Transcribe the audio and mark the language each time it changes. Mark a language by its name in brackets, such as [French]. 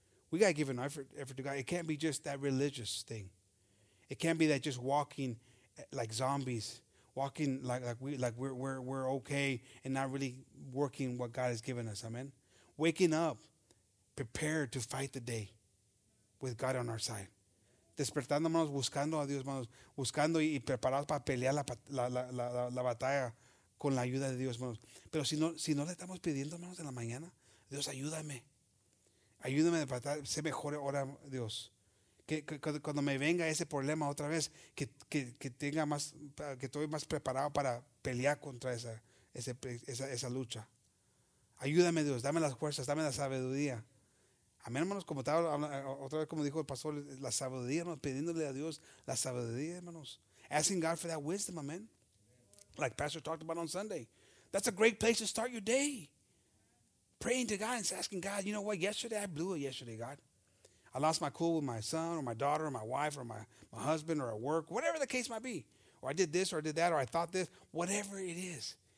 [English] We got to give an effort to God. It can't be just that religious thing. It can't be that just walking like zombies, walking like we're okay and not really working what God has given us. Amen. Waking up, prepared to fight the day. with God on our side. [Spanish] Despertando, hermanos, buscando a Dios, hermanos, buscando y preparados para pelear la batalla con la ayuda de Dios, hermanos. Pero si no le estamos pidiendo, hermanos, en la mañana, Dios, ayúdame. Ayúdame para ser mejor ahora, Dios. Que cuando me venga ese problema otra vez, que tenga más, que estoy más preparado para pelear contra esa lucha. Ayúdame, Dios, dame las fuerzas, dame la sabiduría. Amén, hermanos, como estaba otra vez, como dijo el pastor, la sabiduría, hermanos, pidiéndole a Dios la sabiduría, hermanos. [English] Asking God for that wisdom, amen. Like Pastor talked about on Sunday. That's a great place to start your day. Praying to God and asking God, you know what, yesterday I blew it yesterday, God. I lost my cool with my son or my daughter or my wife or my husband or at work, whatever the case might be. Or I did this or I did that or I thought this, whatever it is.